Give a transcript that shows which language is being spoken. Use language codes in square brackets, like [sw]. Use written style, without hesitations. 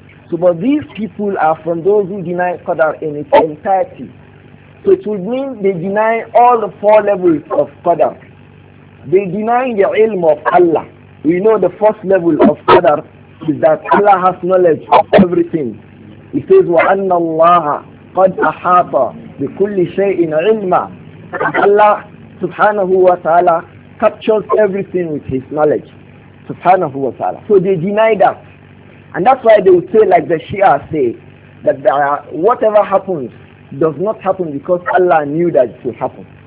[en] So, but these people are from those who deny Qadar in its entirety. So it would mean they deny all the four levels of Qadar. They deny the ilm of Allah. We know the first level of Qadar is that Allah has knowledge of everything. He says, [ar] وَأَنَّ اللَّهَ قَدْ أَحَاطَ بِكُلِّ شَيْءٍ عِلْمًا. [en] Allah subhanahu wa ta'ala captures everything with his knowledge. Subhanahu wa ta'ala. So they deny that. And that's why they would say, like the Shia say, that whatever happens does not happen because Allah knew that it would happen.